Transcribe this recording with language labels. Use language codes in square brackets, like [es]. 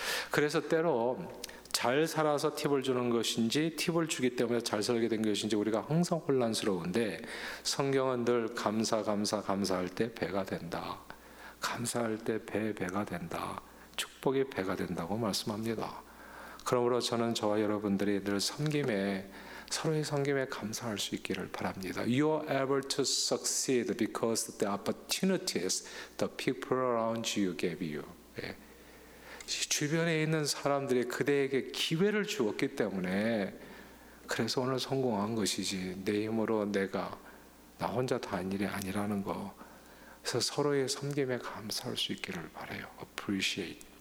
[ko] 그래서 때로 잘 살아서 팁을 주는 것인지 팁을 주기 때문에 잘 살게 된 것인지 우리가 항상 혼란스러운데 성경은 늘 감사 감사 감사할 때 배가 된다. 감사할 때 배가 된다. 축복의 배가 된다고 말씀합니다. 그러므로 저는 저와 여러분들이 늘 섬김에 서로의 섬김에 감사할 수 있기를 바랍니다. [en] You are able to succeed because the opportunities the people around you gave you. [ko] 주변에 있는 사람들이 그대에게 기회를 주었기 때문에 그래서 오늘 성공한 것이지 내 힘으로 내가 나 혼자 다 한 일이 아니라는 거. 그래서 서로의 섬김에 감사할 수 있기를 바라요. [en] Appreciate.